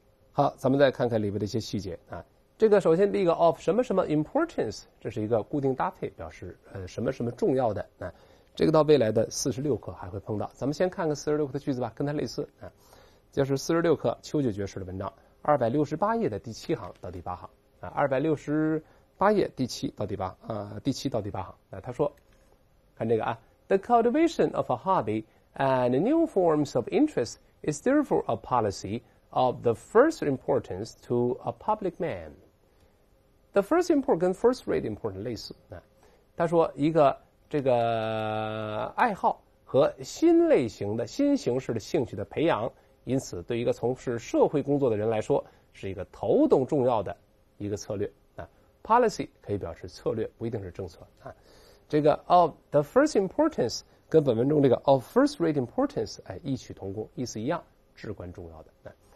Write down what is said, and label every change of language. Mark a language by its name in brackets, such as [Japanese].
[Chinese] 好，咱们再看看里面的一些细节啊。这个首先第一个 of 什么什么 importance， 这是一个固定搭配，表示什么什么重要的啊。这个到未来的46课还会碰到。咱们先看个46课的句子吧，跟它类似啊。就是46课秋菊爵士的文章， 268 页的第七行到第八行啊。 268页第七到第八啊，第七到第八行啊，他说。看这个啊 [English] ，The cultivation of a hobby and new forms of interest is therefore a policy of the first importance to a public man. The first import 跟 first rate important 类似啊。 [Chinese] 他说一个这个爱好和新类型的新形式的兴趣的培养，因此对一个从事社会工作的人来说，是一个头等重要的一个策略啊。 Policy 可以表示策略，不一定是政策啊。这个 of the first importance 跟本文中这个 of first rate importance 哎异曲同工，意思一样，至关重要的。